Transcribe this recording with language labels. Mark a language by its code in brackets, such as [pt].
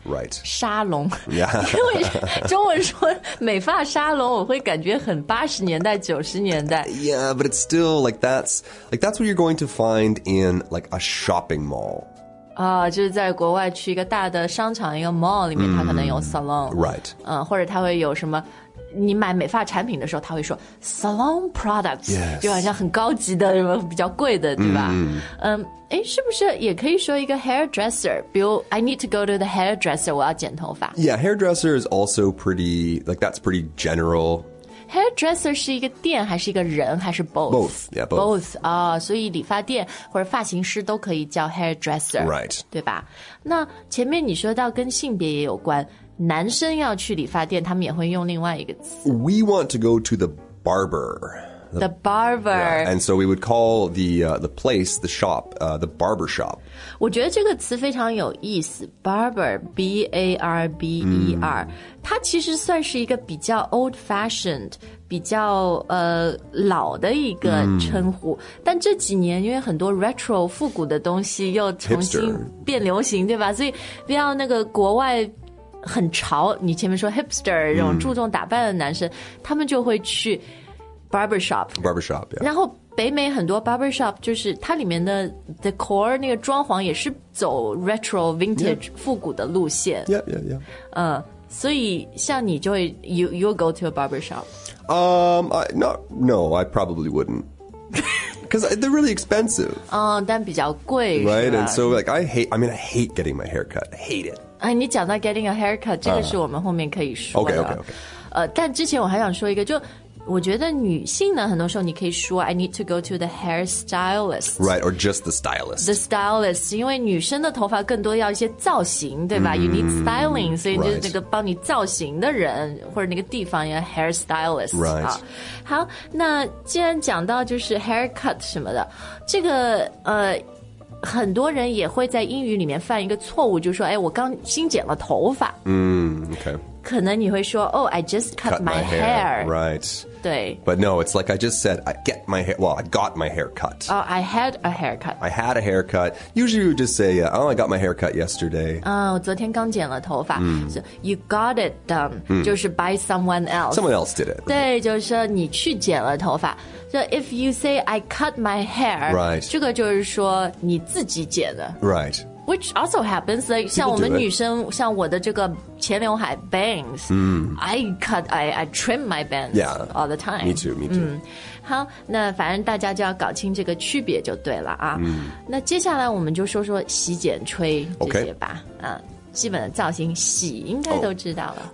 [en] right. [zh] 沙龙、 [en] yeah. [zh] 因为中文说美发沙龙我会感觉很80年代90年代 [en] Yeah, but it's still like that's what you're going to find in like a shopping mall. [zh] 就是在国外去一个大的商场一个 mall 里面它可能有 salon. [en] Right. [zh] 或者它会有什么你买美发产品的时候他会说 salon products、 [en] yes. [zh] 就好像很高级的什么比较贵的对吧、是不是也可以说一个 hairdresser 比如 [en] I need to go to the hairdresser [zh] 我要剪头发 [en] Yeah, hairdresser is also pretty like that's pretty general [zh] Hairdresser 是一个店还是一个人还是 both? [en] Both, yeah, both. [zh] Both, 所以理发店或者发型师都可以叫 hairdresser [en] Right [zh] 对吧那前面你说到跟性别也有关男生要去理发店他们也会用另外一个词 [en] We want to go to the barber The barber、 yeah. And so we would call the place, the shop, the barber shop [zh] 我觉得这个词非常有意思 Barber, B-A-R-B-E-R、它其实算是一个比较 old fashioned 比较老的一个称呼、但这几年因为很多 retro 复古的东西又重新变流行、 [en] Hipster. [zh] 对吧所以不要那个国外很潮你前面说 hipster 这种注重打扮的男生他们就会去 barbershop、 [en] yeah. [zh] 然后北美很多 barbershop 就是它里面的 decor 那个装潢也是走 retro vintage、yeah. 复古的路线 [en] yeah, yeah, yeah. [zh] 所以像你就会 [en] you'll go to a barbershop、 I probably wouldn't because they're really expensive [zh] 但比较贵 [en] right and so like I hate getting my hair cut hate it [zh] 你讲到 getting a haircut 这个是我们后面可以说的 [en] okay. [zh] 但之前我还想说一个就我觉得女性呢很多时候你可以说 [en] I need to go to the hairstylist Right, or just the stylist [zh] The stylist 因为女生的头发更多要一些造型对吧 [en] You need styling [zh] 所以就是那个帮你造型的人、 [en] right. [zh] 或者那个地方要 hairstylist、 [en] right. [zh] 好那既然讲到就是 haircut 什么的这个很多人也会在英语里面犯一个错误，就是说，哎，我刚新剪了头发。 [en] Okay. [zh] 可能你会说 [en] ，Oh, I just cut my hair. Right. [zh] 对。 [en] But no, it's like I just said, I get my hair. Well, I got my hair cut. Oh, I had a haircut. I had a haircut. Usually, you just say, Oh, I got my hair cut yesterday. [zh] 我昨天刚剪了头发。 [en] So you got it done. [zh] 就是 by someone else. [en] Someone else did it. [zh] 对，就是说你去剪了头发。 [en] So if you say I cut my hair, right. [zh] 这个就是说你自己剪的。 [en] Right. Which also happens, like, [zh] 像我们女生，像我的这个前刘海 [en] bangs,、I trim my bangs、 yeah, all the time. Me too, me too.、 [zh] 好，那反正大家就要搞清这个区别就对了啊。那接下来我们就说说洗剪吹这些吧。基本的造型洗应该都知道了。